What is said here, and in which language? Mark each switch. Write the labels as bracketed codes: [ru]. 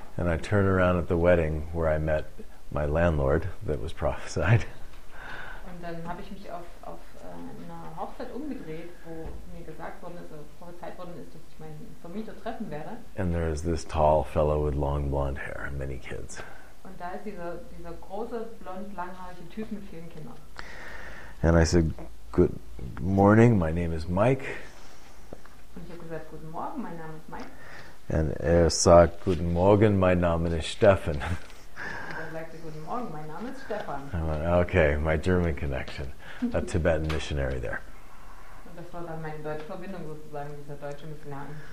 [en] And I turn around at the wedding where I met my landlord that was prophesied. [de] Und dann habe ich mich auf einer Hochzeit umgedreht, wo mir gesagt worden ist, also prophezeit worden ist, dass ich meinen Vermieter treffen werde. [en] And there is this tall fellow with long blonde hair and many kids. [de] Und da ist dieser große, blond, langhaarige Typ mit vielen Kindern. [en] And I said, good morning, my name is Mike. [de] Und ich habe gesagt, guten Morgen, mein Name ist Mike. And er sagt, guten Morgen, mein Name ist Stefan. Guten Morgen, mein Name ist Stefan. [en] Okay, my German connection. A Tibetan missionary there. [de] Das war dann meine deutsche Verbindung sozusagen, dieser deutsche Missionar.